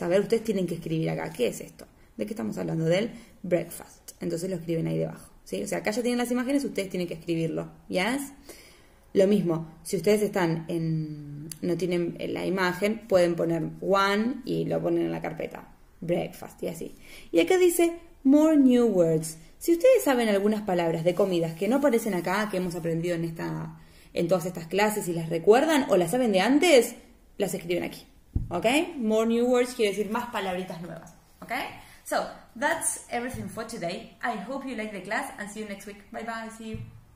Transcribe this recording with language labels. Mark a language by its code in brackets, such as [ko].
[es] A ver, ustedes tienen que escribir acá, ¿qué es esto? ¿De qué estamos hablando? Del breakfast. Entonces lo escriben ahí debajo, ¿sí? O sea, acá ya tienen las imágenes, ustedes tienen que escribirlo, ¿yes? Lo mismo, si ustedes están en, no tienen la imagen, pueden poner one y lo ponen en la carpeta. Breakfast, y así. Y acá dice, [en] more new words. [es] Si ustedes saben algunas palabras de comidas que no aparecen acá, que hemos aprendido en esta, en todas estas clases y las recuerdan, o las saben de antes, las escriben aquí. ¿Ok? More new words quiere decir más palabritas nuevas. ¿Ok? [en] So, that's everything for today. I hope you like the class and see you next week. Bye bye, see you.